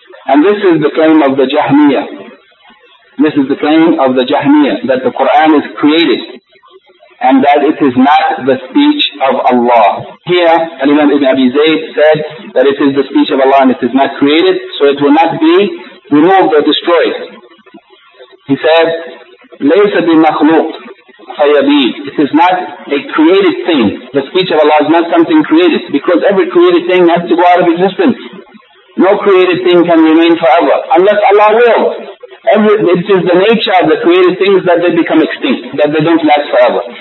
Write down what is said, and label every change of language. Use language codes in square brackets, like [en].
[en] And this is the claim of the Jahmiyyah. This is the claim of the Jahmiyyah, that the Qur'an is created and that it is not the speech of Allah. Here, Al-Imaam ibn Abi Zaid said that it is the speech of Allah and it is not created, so it will not be removed or destroyed. He said, [ar] لَيْسَ بِمَخْلُوقٍ فَيَبِيدٍ. [en] It is not a created thing. The speech of Allah is not something created, because every created thing has to go out of existence. No created thing can remain forever, unless Allah will. It is the nature of the created things that they become extinct, that they don't last forever.